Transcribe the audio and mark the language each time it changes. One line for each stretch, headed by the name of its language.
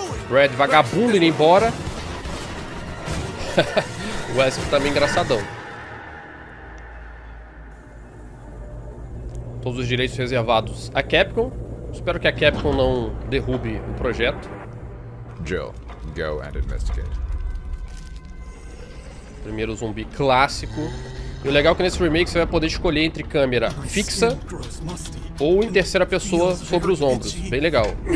Portuguese: Red vagabundo indo embora. O Wesker tá meio engraçadão. Todos os direitos reservados à Capcom. Espero que a Capcom não derrube o projeto.
English: Jill, go and investigate.
Portuguese: Primeiro zumbi clássico. E o legal é que nesse remake você vai poder escolher entre câmera fixa ou em terceira pessoa sobre os ombros. Bem legal.